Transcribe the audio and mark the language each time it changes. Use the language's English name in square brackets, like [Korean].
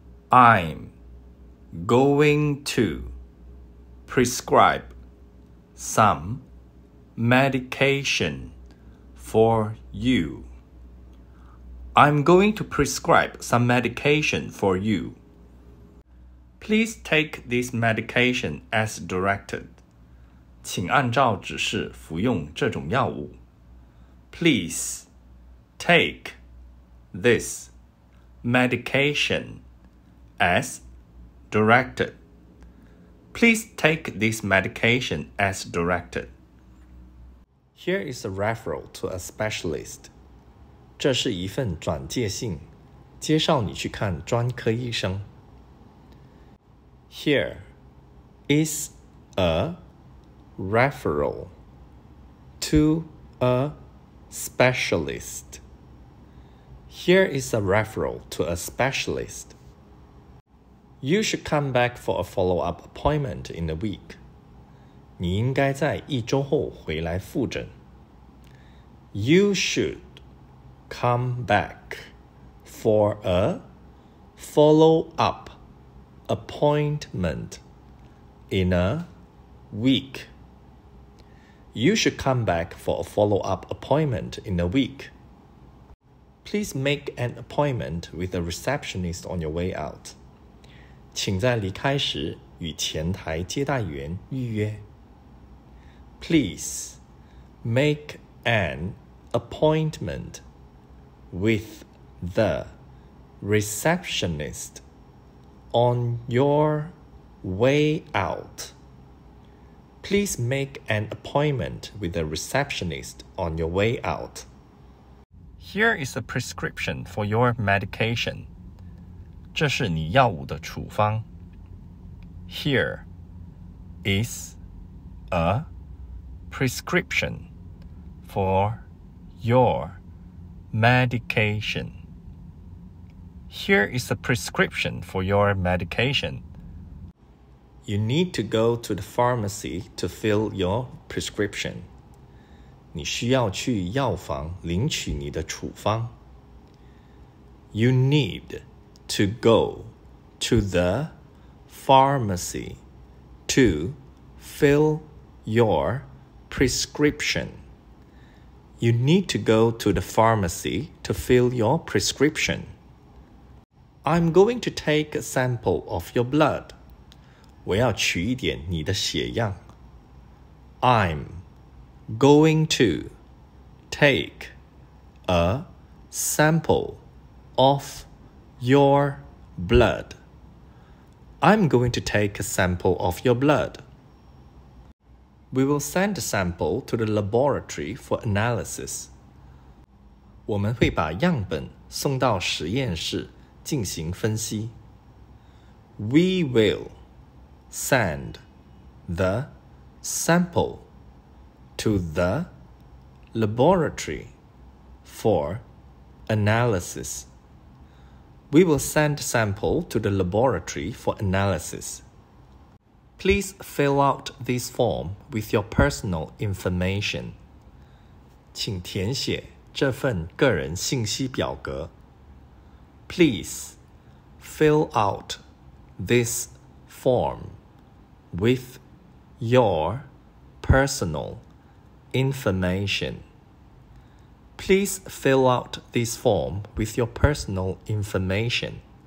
[English] I'm going to prescribe some medication for you. I'm going to prescribe some medication for you. Please take this medication as directed. [Chinese] 请按照指示服用这种药物。 [English] Please take this medication. As directed. Please take this medication as directed. Here is a referral to a specialist. [Chinese] 这是一份转介信，介绍你去看专科医生。 [English] Here is a referral to a specialist. Here is a referral to a specialist. You should come back for a follow-up appointment in a week. [Chinese] 你应该在一周后回来复诊。 [English] You should come back for a follow-up appointment in a week. You should come back for a follow-up appointment in a week. Please make an appointment with a receptionist on your way out. [Chinese] 请在离开时与前台接待员预约。 [English] Please make an appointment with the receptionist on your way out. Please make an appointment with the receptionist on your way out. Here is a prescription for your medication. [Chinese] 这是你药物的处方。 [English] Here is a prescription for your medication. Here is a prescription for your medication. You need to go to the pharmacy to fill your prescription. [Chinese] 你需要去药房领取你的处方。 [English] You need... To go to the pharmacy to fill your prescription. You need to go to the pharmacy to fill your prescription. I'm going to take a sample of your blood. [Chinese] 我要取一点你的血样。 [English] I'm going to take a sample of your blood. I'm going to take a sample of your blood. We will send a sample to the laboratory for analysis. [Chinese] 我们会把样本送到实验室进行分析。 [English] We will send the sample to the laboratory for analysis. We will send sample to the laboratory for analysis. Please fill out this form with your personal information. [Chinese] 请填写这份个人信息表格。 [English] Please fill out this form with your personal information. Please fill out this form with your personal information.